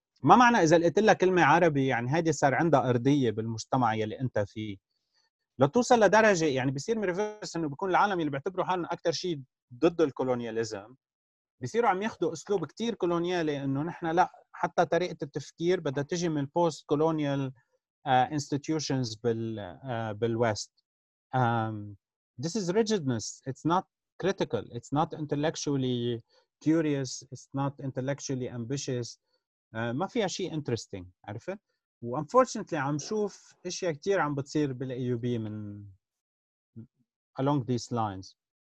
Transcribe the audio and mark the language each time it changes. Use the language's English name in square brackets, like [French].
[Arabic] ما معنى اذا قلت لك كلمه عربي يعني هذه صار عندها ارضيه بالمجتمع يلي انت فيه، لتوصل لدرجه يعني بيصير ريفرس، انه بيكون العالم اللي بيعتبروا حالهم اكثر شيء ضد الكولونياليزم بيصيروا عم ياخذوا اسلوب كتير كولونيالي، انه نحن لا، حتى طريقه التفكير بدها تجي من البوست كولونيال institutions بالwest. [English] This is rigidness. It's not critical. It's not intellectually curious. It's not intellectually ambitious. [Arabic] ما فيها شيء interesting. عرفت؟ Unfortunately, عم شوف اشياء كتير عم بتصير بالAUB من [English] along these lines.